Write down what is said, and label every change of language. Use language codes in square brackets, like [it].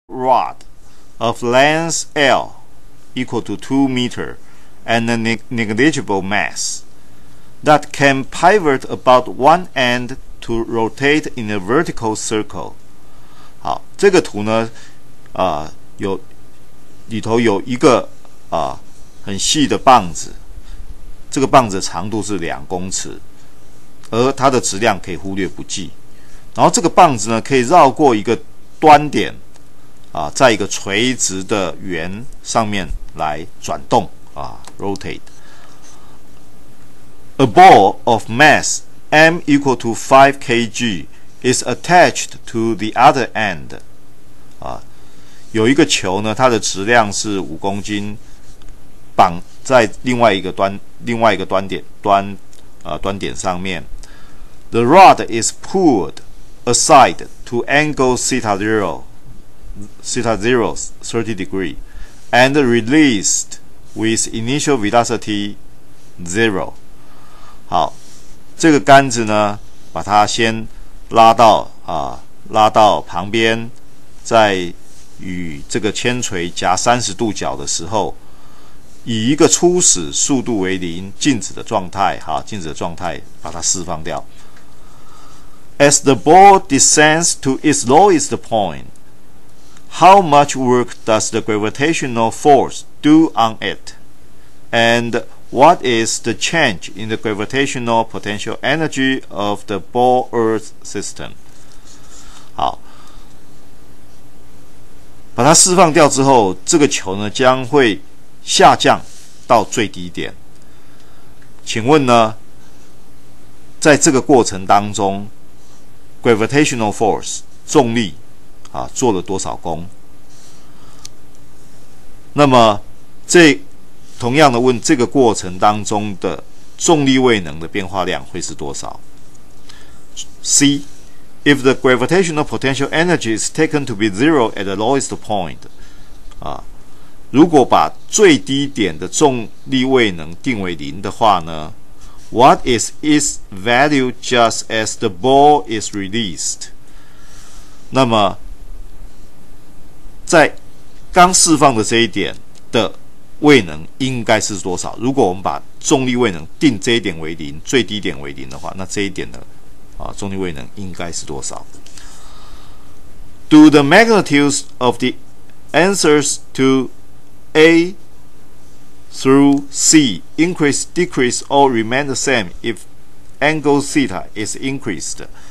[en] rod of length L equal to 2 meters and a negligible mass that can pivot about one end to rotate in a vertical circle. [zh] 好，这个图呢，有里头有一个很细的棒子，这个棒子长度是两公尺，而它的质量可以忽略不计。然后这个棒子呢，可以绕过一个端点，在一个垂直的圆上面来转动啊 ，rotate。 [en] A ball of mass m equal to 5 kg is attached to the other end。 [zh] 有一个球呢，它的质量是5公斤，绑在另外一个端点上面。 [en] The rod is pulled aside to angle theta zero 30 degree and released with initial velocity zero。 [zh] 好，这个杆子呢，把它先拉到旁边，在与这个铅锤夹30度角的时候，以一个初始速度为零，静止的状态，把它释放掉。 [en] As the ball descends to its lowest point, how much work does the gravitational force do on it? And what is the change in the gravitational potential energy of the ball Earth system? [zh] 好，把它释放掉之后，这个球呢将会下降到最低点。请问呢，在这个过程当中 ，gravitational force 重力啊做了多少功？那么这同样的问，这个过程当中的重力位能的变化量会是多少 ？C. [en] If the gravitational potential energy is taken to be zero at the lowest point, [zh] 如果把最低点的重力位能定为零的话呢 [en] ？What is its value just as the ball is released? [zh] 那么在刚释放的这一点的位能应该是多少？如果我们把重力位能定这一点为零，最低点为零的话，那这一点呢，重力位能应该是多少 ？ [en] Do the magnitudes of the answers to A through C increase, decrease, or remain the same if angle theta is increased？